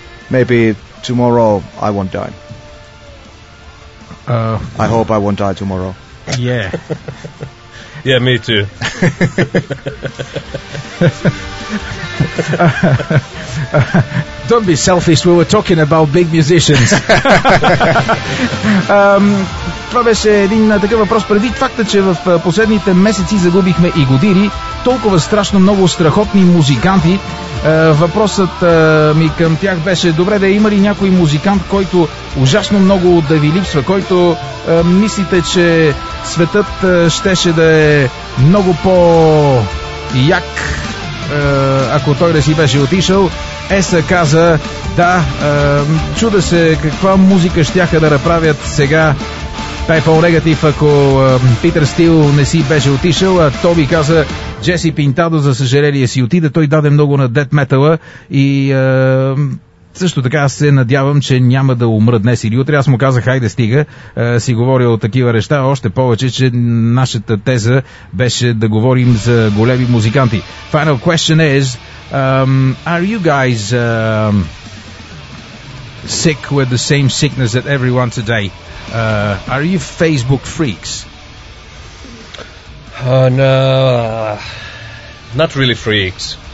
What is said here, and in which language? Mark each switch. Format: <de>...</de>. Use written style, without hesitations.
<en>Maybe tomorrow I won't die. I hope I won't die tomorrow. Yeah. Yeah, me too. Don't be selfish, we were talking about big musicians.</en> <bg>Това беше един такъв въпрос. Преди факта, че в последните месеци загубихме и години толкова страшно много страхотни музиканти, въпросът ми към тях беше: добре, да има ли някой музикант, който ужасно много да ви липсва, който мислите, че светът щеше да е много по-як, ако той не си беше отишъл? Еса каза, да, чуда се каква музика щяха да направят сега Type O Negative, ако Питър Стил не си беше отишъл. А Тоби каза, Джеси Пинтадо, за съжаление, си отиде, той даде много на дед метала и също така аз се надявам, че няма да умра днес или утре. Аз му казах, хайде стига, си говоря от такива неща, още повече, че нашата теза беше да говорим за големи музиканти.</bg> <en>Final question is, are you guys sick with the same sickness that everyone today? Are you Facebook freaks? No, not really freaks.</en>